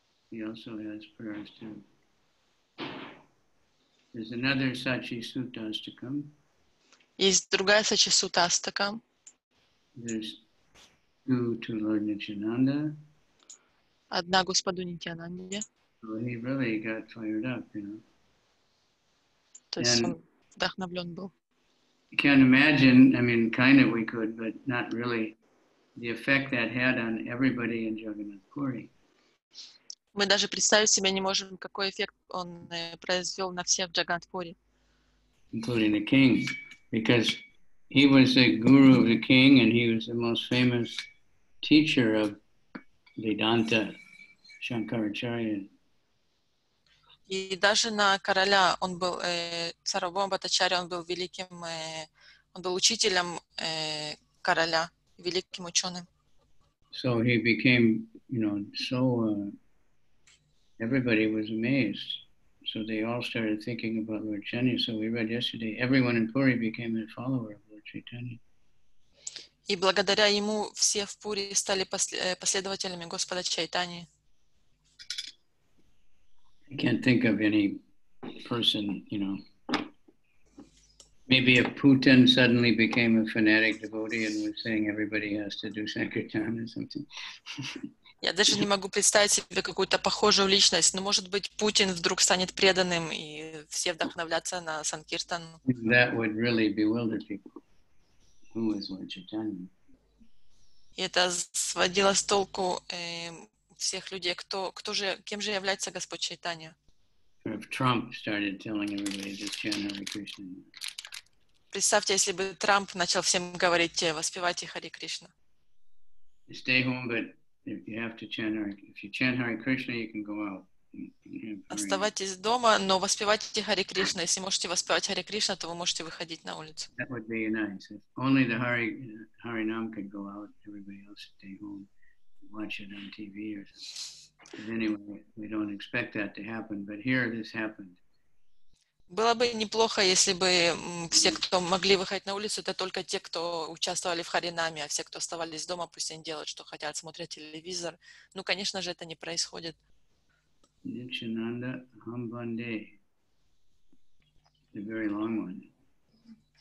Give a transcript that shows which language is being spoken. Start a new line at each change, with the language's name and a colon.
English: He also has prayers too. There's another Sachi Sutta Astakam.
Russian: Есть другая Сачи Сутта Астакам.
English: There's two to Lord Nityananda.
Russian: Одна Господу Нитянанде.
English: So he really got fired up, you know.
Russian: То есть он вдохновлен был.
English: You can't imagine, I mean, kind of we could, but not really, the effect that had on everybody in Jagannath Puri.
Russian: Мы даже представить себе не можем, какой эффект он произвел на всех в Джаганатхпуре.
English: Including the king, because he was the guru of the king and he was the most famous teacher of Vedanta, Shankaracharya.
Russian: И даже на короля он был, Сарвабхаума Бхаттачарья, он был великим, он был учителем короля, великим ученым.
English: So he became, you know, so everybody was amazed. So they all started thinking about Lord Chaitanya. So we read yesterday, everyone in Puri became a follower of Lord Chaitanya.
Russian: И благодаря ему все в Пури стали последователями Господа Чайтани.
English: I can't think of any person, you know. Maybe if Putin suddenly became a fanatic devotee and was saying everybody has to do sankirtan or something.
Russian: Я даже не могу представить себе какую-то похожую личность. Но, может быть, Путин вдруг станет преданным и все вдохновляться на санкиртан.
English: That would really bewilder people. Who is Lord Chaitanya?
Russian: И это сводило с толку всех людей, кем же является Господь Чайтанья.
English: If Trump started telling everybody just chant Hare Krishna.
Russian: Представьте, если бы Трамп начал всем говорить, воспевайте Хари Кришна.
English: Stay home, but if you have to chant Hare, if you chant Hare Krishna, you can go out.
Russian: Оставайтесь дома, но воспевайте Хари Кришна. Если можете воспевать Хари Кришна, то вы можете выходить на улицу.
English: That would be nice. If only the Hari Nam could go out, everybody else stay home and watch it on TV or something. But anyway, we don't expect that to happen, but here this happened.
Russian: Было бы неплохо, если бы все, кто могли выходить на улицу, это только те, кто участвовали в харинаме, а все, кто оставались дома, пусть они делают, что хотят, смотрят телевизор. Ну, конечно же, это не происходит.
English: Nityananda Hambande. It's a very long one.